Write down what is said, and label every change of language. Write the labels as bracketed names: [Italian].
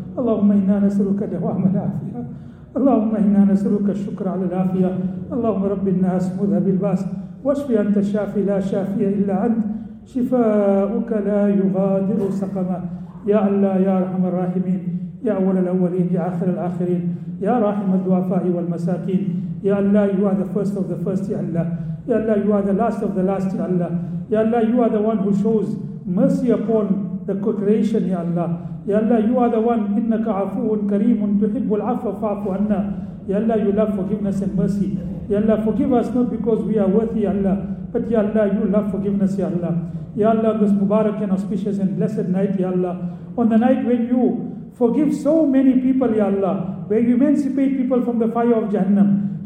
[Arabic] اللهم إنا نسألك دوام العافية. اللهم إنا نسألك الشكر على العافية. اللهم رب الناس مذهب الباس واشفي أنت الشافي لا شافي إلا أنت، شفاؤك لا يغادر سقما. يا الله يا أرحم الراحمين، يا أول الأولين يا آخر الآخرين، يا راحم الضعفاء والمساكين. [English] يا الله you are the first of the first، يا الله. يا الله you are the last of the last، يا الله. يا الله you are the one who shows mercy upon the creation، يا الله. يا الله you are the one، [Arabic] إنك عفو كريم تحب العفو فاعف عنا. [English] يا الله you love forgiveness and mercy. يا الله forgive us not because we are worthy، يا الله، but يا الله you love forgiveness، يا الله. يا الله this Mubarak and auspicious and blessed night، يا الله، on the night when you forgive so many people، ya Allah, where you emancipate people from the fire of Jahannam.